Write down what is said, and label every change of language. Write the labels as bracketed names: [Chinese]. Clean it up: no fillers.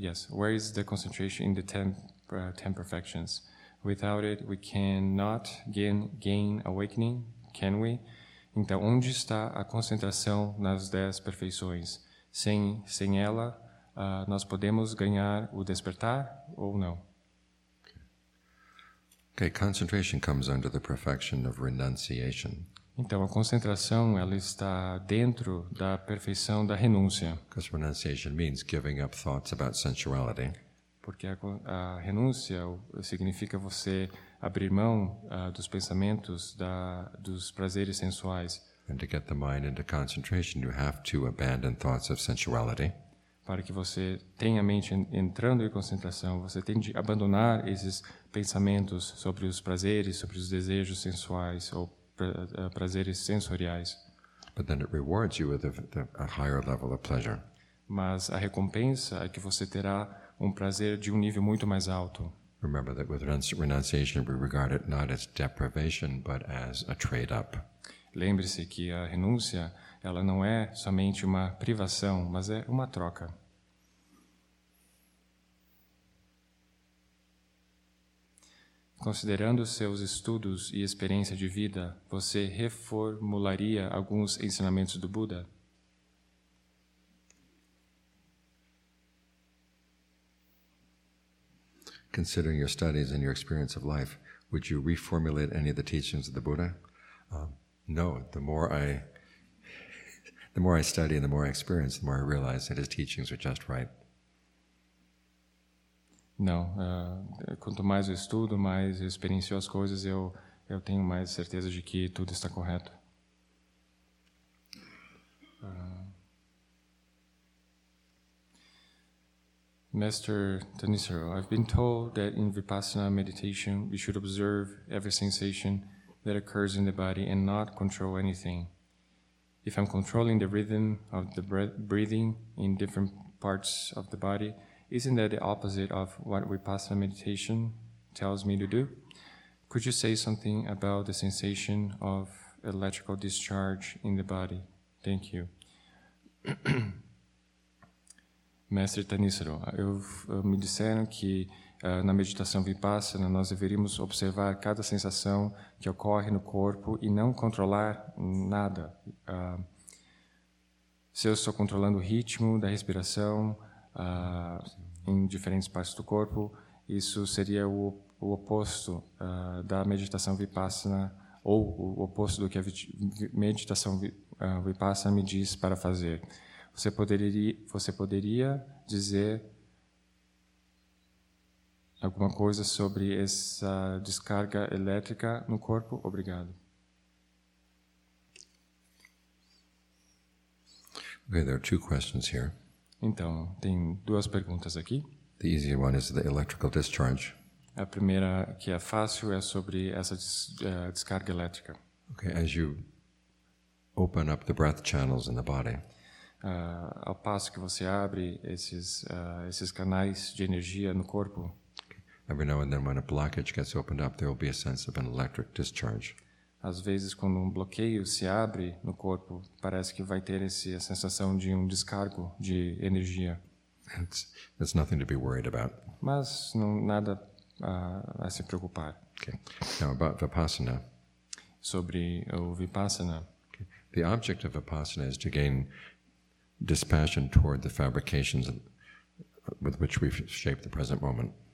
[English] Where is the concentration in the ten perfections? Without it, we cannot gain awakening, can we? [Portuguese] Então, onde está a concentração nas 10 perfeições? Sem ela, nós podemos ganhar o despertar ou não? [English] Okay, concentration comes under the perfection of renunciation. [Portuguese] Então, a concentração, ela está dentro da perfeição da renúncia. [English] Because renunciation means giving up thoughts about sensuality. [Portuguese] Porque a renúncia significa você abrir mão dos pensamentos, dos prazeres sensuais. [English] And to get the mind into concentration, you have to abandon thoughts of sensuality. [Portuguese] Para que você tenha a mente entrando em concentração, você tem de abandonar esses pensamentos sobre os prazeres, sobre os desejos sensuais ou prazeres sensoriais. [English] But then it rewards you with a higher level of pleasure. [Portuguese] Mas a recompensa é que você terá um prazer de um nível muito mais alto. [English] Remember that with renunciation we regard it not as deprivation but as a trade-up. [Portuguese] Lembre-se que a renúncia ela não é somente uma privação, mas é uma troca. Considerando seus estudos e experiência de vida, você reformularia alguns ensinamentos do Buda? [English] Considering your studies and your experience of life, would you reformulate any of the teachings of the Buddha? No. The more I study and the more I experience, the more I realize that his teachings are just right. [Portuguese] Não. Quanto mais eu estudo, mais eu experiencio as coisas, eu tenho mais certeza de que tudo está correto. [English] Master Tanisaro, I've been told that in Vipassana meditation, we should observe every sensation that occurs in the body and not control anything. If I'm controlling the rhythm of the breathing in different parts of the body, isn't that the opposite of what Vipassana meditation tells me to do? Could you say something about the sensation of electrical discharge in the body? Thank you. [Portuguese] Mestre Tanissaro, me disseram que na meditação Vipassana nós deveríamos observar cada sensação que ocorre no corpo e não controlar nada. Se eu estou controlando o ritmo da respiração em diferentes partes do corpo, isso seria o oposto da meditação Vipassana, ou o oposto do que a meditação Vipassana me diz para fazer. Você poderia dizer alguma coisa sobre essa descarga elétrica no corpo? Obrigado. [English] Okay, there are two questions here. [Portuguese] Então, tem duas perguntas aqui. [English] The easier one is the electrical discharge. [Portuguese] A primeira, que é fácil, é sobre essa descarga elétrica. [English] Okay, as you open up the breath channels in the body. [Portuguese] Ao passo que você abre esses canais de energia no corpo. [English] Every now and then when a blockage gets opened up, there will be a sense of an electric discharge. [Portuguese] Às vezes, quando bloqueio se abre no corpo, parece que vai ter essa sensação de descargo de energia. [English] It's nothing to be worried about. [Portuguese] Mas não nada a se preocupar. [English] Okay. Now about Vipassana. [Portuguese] Sobre o Vipassana. [English] Okay. The object of Vipassana is to gain dispassion toward the fabrications with which we shape the present moment.